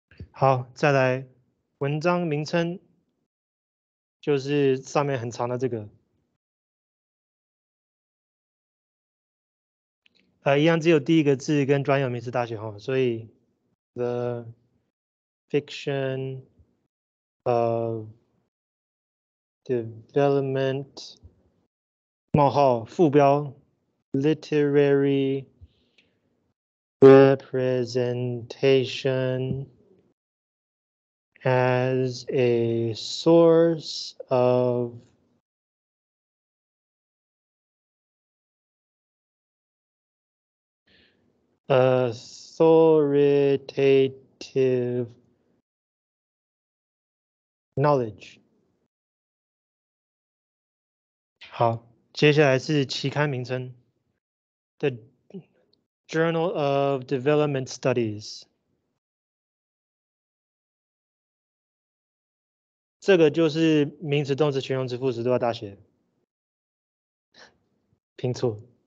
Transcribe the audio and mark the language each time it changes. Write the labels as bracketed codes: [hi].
[zh] 好，再来，文章名称就是上面很长的这个。一样只有第一个字跟专有名词大写哈，所以 the。 [en] Fiction of development 冒号副标 literary representation as a source of authoritative. Knowledge。 [zh] 好，接下来是期刊名称 ， [en] The Journal of Development Studies。 [zh] 这个就是名词、动词、形容词、副词都要大写，拼错。